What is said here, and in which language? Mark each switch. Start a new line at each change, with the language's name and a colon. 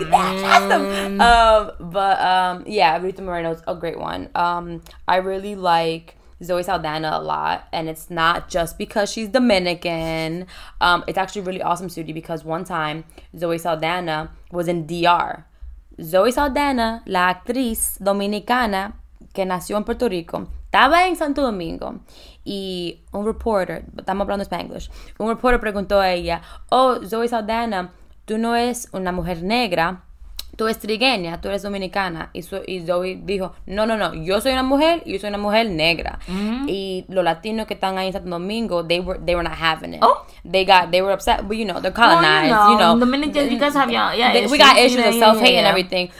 English: You can never trust them. But Rita Moreno's a great one. I really like Zoe Saldana a lot, and it's not just because she's Dominican. It's actually really awesome, Sudi, because one time Zoe Saldana was in DR.
Spanish: Zoe Saldana, la actriz dominicana que nació en Puerto Rico, estaba en Santo Domingo, y un reporter, estamos hablando Spanglish, un reporter preguntó a ella, oh, Zoe Saldana, tú no eres una mujer negra, tú eres trigueña, tú eres dominicana. Y Zoe dijo, no, yo soy una mujer y yo soy una mujer negra. Y los latinos que están ahí en Santo Domingo,
English: they were not having it. Oh. They were upset, but you know, they're colonized, you know. Dominicans, you guys have issues. We got issues of self-hate and everything.